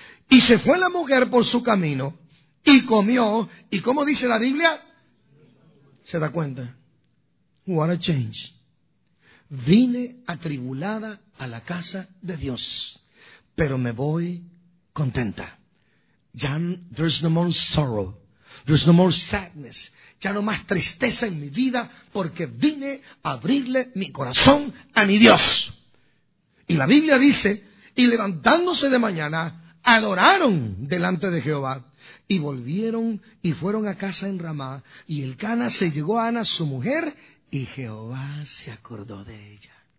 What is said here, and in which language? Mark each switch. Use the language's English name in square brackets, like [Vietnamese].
[Spanish] Y se fue la mujer por su camino y comió. ¿Y cómo dice la Biblia? Se da cuenta. [English] What a change. [Spanish] Vine atribulada a la casa de Dios, pero me voy contenta. [English] Ya there's no more sorrow. There's no more sadness. [Spanish] Ya no más tristeza en mi vida, porque vine a abrirle mi corazón a mi Dios. Y la Biblia dice, y levantándose de mañana, adoraron delante de Jehová. Y volvieron y fueron a casa en Ramá. Y Elcana se llegó a Ana, su mujer, y Jehová se acordó de ella.